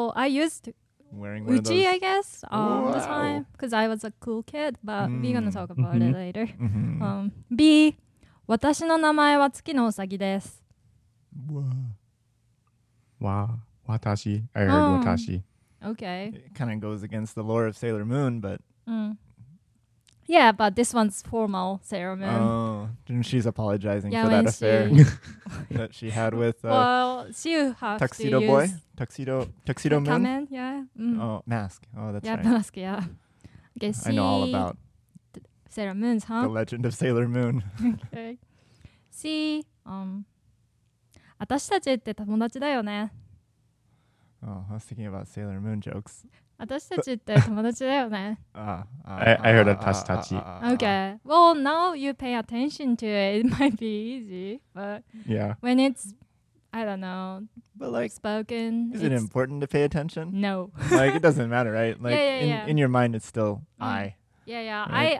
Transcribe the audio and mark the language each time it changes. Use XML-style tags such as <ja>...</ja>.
<en>I used to wear one of those. I guess, the time, because I was a cool kid, but we're going to talk about it later.</en> <ja>B, 私の名前は月のうさぎです。わ、わたし。</ja> <en>I heard</en> <ja>わたし。</ja> <en>Okay. It kind of goes against the lore of Sailor Moon, but... Yeah, but this one's formal Sailor Moon. Oh, and she's apologizing for that affair that she had with... well, she has Tuxedo to boy? Use... Tuxedo Moon? Kamen, yeah. Mm. Oh, mask. Oh, that's yeah, right. Yeah, mask, yeah. Okay, I know all about... Sailor Moon's, huh? The Legend of Sailor Moon. Okay. See,</en> <ja>私たちって友達だよね。</ja> <en>Oh, I was thinking about Sailor Moon jokes.</en> <ja>私たちって友達だよね。</ja> <en>I heard</en> <ja>atashi tachi.</ja> <en>Okay. Well, now you pay attention to it, it might be easy, but yeah. When it's, I don't know, but like, spoken. Is it important to pay attention? No. Like, it doesn't matter, right? Like, yeah. In your mind, it's still I. Yeah, yeah. Right.</en>